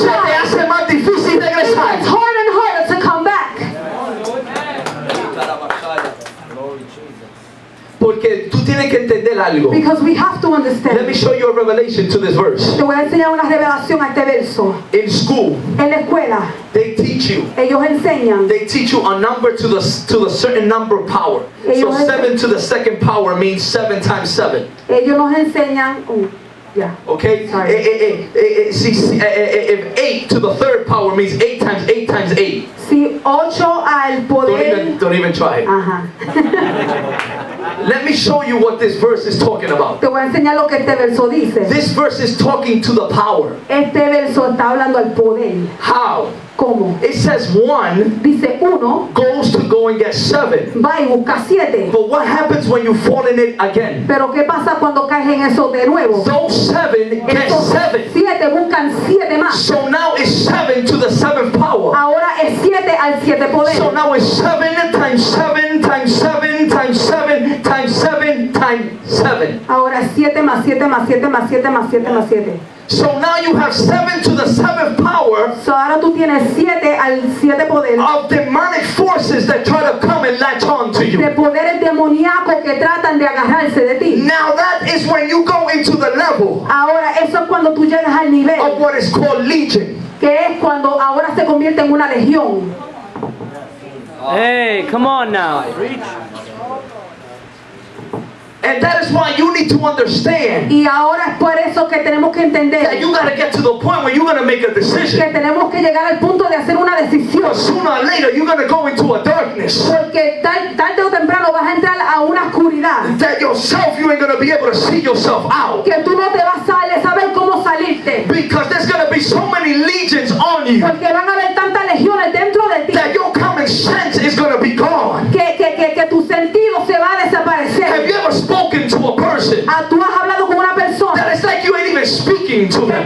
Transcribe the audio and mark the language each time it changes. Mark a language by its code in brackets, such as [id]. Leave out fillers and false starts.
[es] se te hace más difícil regresar. [en] It's harder and harder to come back. [es] Porque tú tienes que entender algo. [en] Because we have to understand. Let me show you a revelation to this verse. [es] Te voy a enseñar una revelación a este verso. [en] In school. [es] En la escuela. [en] They teach you. [es] Ellos enseñan. [en] They teach you a number to the certain number of power. [es] Ellos [en] so 7 to the second power means 7 times 7. [es] Ellos nos enseñan. Yeah. [en] Okay. If 8 to the third power means 8 times 8 times 8. [es] Si 8 al poder. [en] Don't even try it. Let me show you what this verse is talking about. [es] Te voy a enseñar lo que este verso dice. [en] This verse is talking to the power. [es] Este verso está hablando al poder. [en] How? [es] ¿Cómo? [en] It says one [es] dice uno [en] goes to go and get seven. [es] Va y busca siete. [en] But what happens when you fall in it again? [es] ¿Pero qué pasa cuando caes en eso de nuevo? [en] Those seven get seven. [es] Siete buscan siete más. [en] So now it's seven to the seventh power. [es] Ahora es siete al siete poder. [en] So now it's seven times seven times seven times seven times seven times seven. [es] Ahora es siete más siete más siete más siete más siete más siete. [en] So now you have seven to the seventh power. [es] So ahora tú tienes siete al siete poder. [en] Of demonic forces that try to come and latch on to you. [es] De poderes demoníacos que tratan de agarrarse de ti. [en] Now that is when you go into the level. [es] Ahora eso es cuando tú llegas al nivel. [en] Of what is called legion. [es] Que es cuando ahora se convierte en una legión. [en] Hey, come on now. And that is why you need to understand. [es] Y ahora es por eso que tenemos que entender. [en] That you got to get to the point where you're going to make a decision. [es] Que tenemos que llegar al punto de hacer una decisión. [en] Because sooner or later you're going to go into a darkness. [es] Porque tarde o temprano vas a entrar a una oscuridad. [en] That yourself you ain't going to be able to see yourself out. [es] Que tú no te vas a saber cómo salirte. [en] Because there's going to be so many legions on you. [es] Porque van a haber tantas legiones dentro de ti. [en] That your common sense is going to be gone. [es] Que tu sentido se va a desaparecer. [en] Have you ever spoken to a person? [es] ¿Tú has hablado con una persona? [en] That it's like you ain't even speaking to them.